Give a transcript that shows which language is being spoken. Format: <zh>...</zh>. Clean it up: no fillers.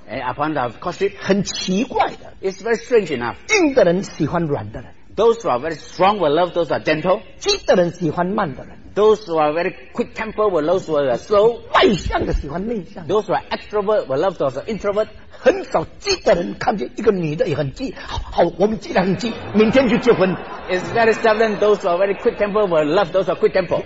<en>And upon the courtship.</en> <zh>很奇怪的。</zh> <en>It's very strange enough.</en> <zh>硬的人喜欢软的人。</zh> <en>Those who are very strong will love those who are gentle.</en> <zh>急的人喜欢慢的人。</zh> <en>Those who are very quick tempered will love those who are slow.</en> <zh>外向的喜欢内向。</zh> <en>Those who are extrovert will love those who are introvert.</en> <zh>很少急的人看见一个女的也很急。好，我们既然很急，明天就结婚。</zh> <en>It's very seldom those who are very quick tempered will love those who are quick tempered.</en>